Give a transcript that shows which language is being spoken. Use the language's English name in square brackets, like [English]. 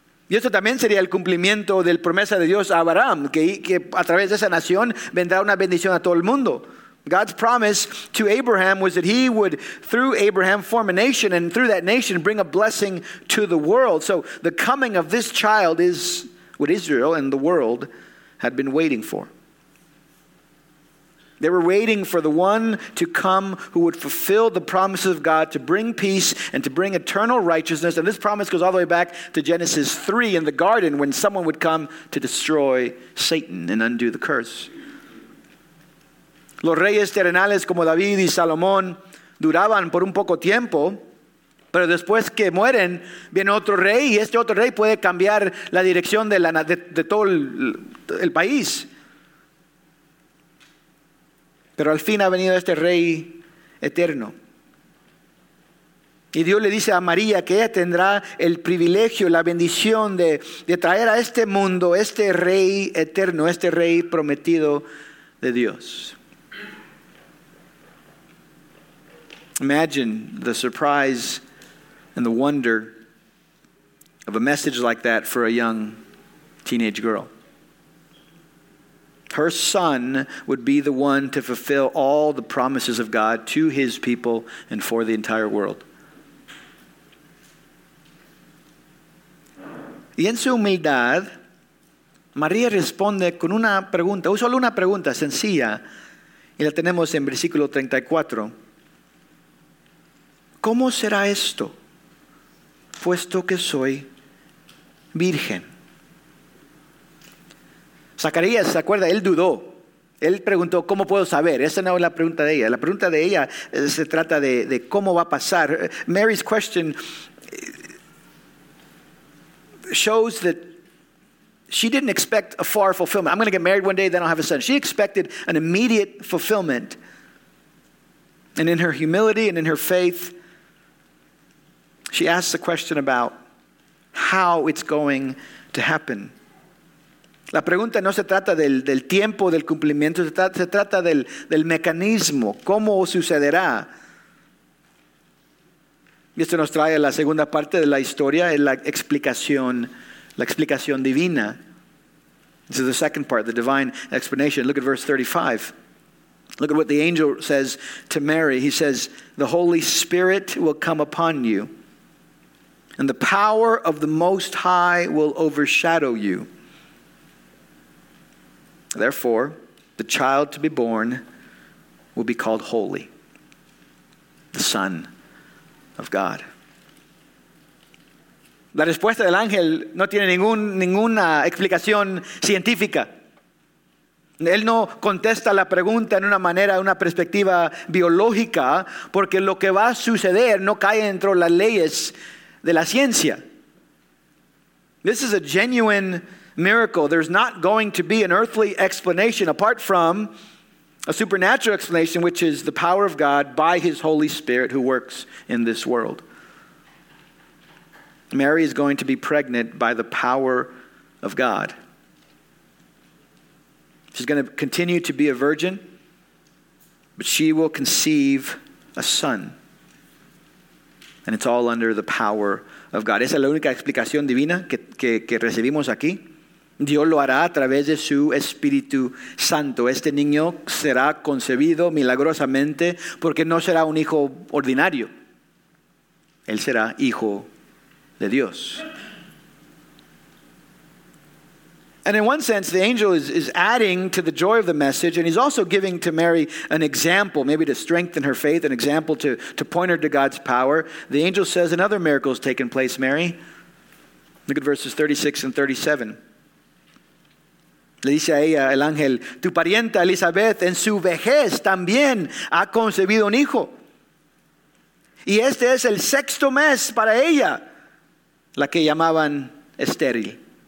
[Spanish] Y esto también sería el cumplimiento de la promesa de Dios a Abraham, que a través de esa nación vendrá una bendición a todo el mundo. [English] God's promise to Abraham was that he would, through Abraham, form a nation, and through that nation, bring a blessing to the world. So the coming of this child is what Israel and the world had been waiting for. They were waiting for the one to come who would fulfill the promises of God to bring peace and to bring eternal righteousness. And this promise goes all the way back to Genesis 3 in the garden, when someone would come to destroy Satan and undo the curse. [Spanish] Los reyes terrenales como David y Salomón duraban por un poco tiempo, pero después que mueren viene otro rey, y este otro rey puede cambiar la dirección de todo el país. Pero al fin ha venido este rey eterno. Y Dios le dice a María que ella tendrá el privilegio, la bendición de traer a este mundo este rey eterno, este rey prometido de Dios. [English] Imagine the surprise and the wonder of a message like that for a young teenage girl. Her son would be the one to fulfill all the promises of God to his people and for the entire world. [Spanish] Y en su humildad, María responde con una pregunta, solo una pregunta sencilla, y la tenemos en versículo 34. ¿Cómo será esto, puesto que soy virgen? Zacarías, ¿se acuerda? Él dudó. Él preguntó, ¿cómo puedo saber? Esa no es la pregunta de ella. La pregunta de ella se trata de cómo va a pasar. [English] Mary's question shows that she didn't expect a far fulfillment. I'm going to get married one day, then I'll have a son. She expected an immediate fulfillment. And in her humility and in her faith, she asks the question about how it's going to happen. [Spanish] La pregunta no se trata del tiempo del cumplimiento, se trata del mecanismo, cómo sucederá. Y esto nos trae a la segunda parte de la historia, es la explicación divina. [English] This is the second part, the divine explanation. Look at verse 35. Look at what the angel says to Mary. He says, "The Holy Spirit will come upon you, and the power of the Most High will overshadow you. Therefore, the child to be born will be called holy, the Son of God." [Spanish] La respuesta del ángel no tiene ninguna explicación científica. Él no contesta la pregunta en una manera, una perspectiva biológica, porque lo que va a suceder no cae dentro de las leyes de la ciencia. [English] This is a genuine miracle. There's not going to be an earthly explanation apart from a supernatural explanation, which is the power of God by his Holy Spirit who works in this world. Mary is going to be pregnant by the power of God. She's going to continue to be a virgin, but she will conceive a son. And it's all under the power of God. [Spanish] Esa es la única explicación divina que recibimos aquí. Dios lo hará a través de su Espíritu Santo. Este niño será concebido milagrosamente porque no será un hijo ordinario. Él será hijo de Dios. [English] And in one sense, the angel is adding to the joy of the message, and he's also giving to Mary an example, maybe to strengthen her faith, an example to point her to God's power. The angel says another miracle has taken place, Mary. Look at verses 36 and 37. [Spanish] Le dice a ella el ángel, tu parienta Elizabeth en su vejez también ha concebido un hijo. Y este es el sexto mes para ella, la que llamaban estéril.